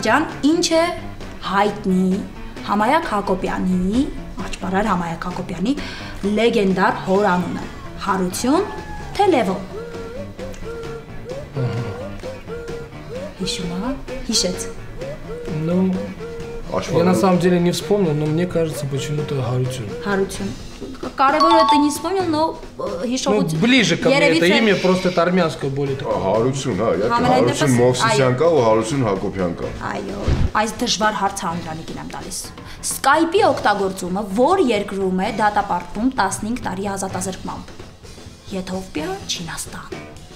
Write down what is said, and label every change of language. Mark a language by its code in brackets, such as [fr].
[hy] Անդրանիկին։ Սևակ ջան, ի՞նչ է հայտնի Համայակ Հակոբյանի, աճպարար Համայակ Հակոբյանի լեգենդար հորանունը։ Հարություն, թե Լևո։ Հիշում ես, հիշեց։ [ru] Ну, я на самом деле не вспомнил, но мне кажется, почему-то Հարություն։ [hy] Հարություն։ Կարևորը դա [ru] не вспомнил, но [hy] հիշողություն։ [ru] Ближе ко мне это имя просто это армянское более такое։ [hy] Հարություն, հա, [ru] я тебе [hy] Հարություն Մովսիսյան կա ու Հարություն Հակոբյան կա։ Այո, այս դժվար հարցը Անդրանիկին եմ տալիս։ Skype-ի օգտագործումը որ երկրում է դատապարտվում 15 տարի ազատազրկմամբ։ Եթովպիա, Չինաստան։